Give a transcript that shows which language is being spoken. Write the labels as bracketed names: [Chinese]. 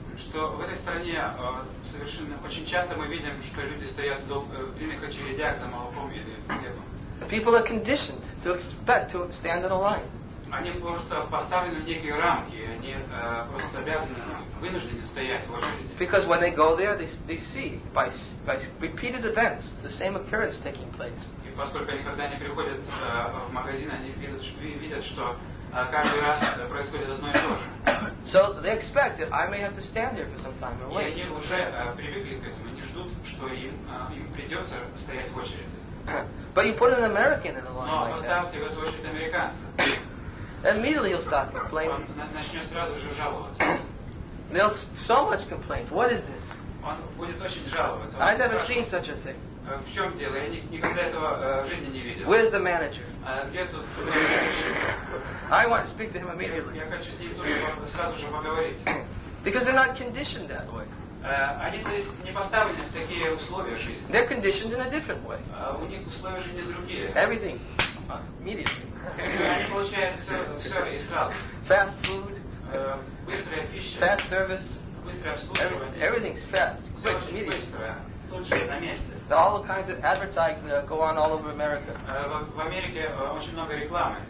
[Russian] Что в этой стране совершенно очень часто мы видим, что люди стоят в длинных очередях за молоком или хлебом. [English] People are conditioned to expect to stand in a line. [Russian] Они просто поставлены в некие рамки, они просто обязаны, вынуждены стоять в очереди. [English] Because when they go there, they see by repeated events the same occurrence taking place. [Russian] И поскольку они когда не приходят в магазин, они видят, что каждый раз происходит одно и то же. [English] So they expect that I may have to stand here for some time or wait. [Russian] Они уже привыкли к этому, они ждут, что им придется стоять в очереди. [English] But you put an American in a line. [Russian] Но поставьте в эту очередь американца. [English] Immediately he'll start complaining. [Russian] Он начнет сразу же жаловаться. [English] There's so much complaint. What is this? [Russian] Он будет очень жаловаться. [English] I've never seen such a thing. [Russian] В чем дело? Я никогда этого в жизни не видел. [English] Where's the manager? [Russian] Где тут менеджер? [English] I want to speak to him immediately. [Russian] Я хочу с ним тоже сразу же поговорить. [English] Because they're not conditioned that way. [Russian] Они, то есть, не поставлены в такие условия жизни. [English] They're conditioned in a different way. [Russian] У них условия жизни другие. [English] Everything. Immediately. [Russian] Они получают все и сразу. [English] Fast food. [Russian] Быстрая пища. [English] Fast service. [Russian] Быстрое обслуживание. [English] Everything's fast. Quick, immediately. [Russian] Все очень быстро. Тут же, на месте. [English] All the kinds of advertising that go on all over America. [Russian] В Америке очень много рекламы.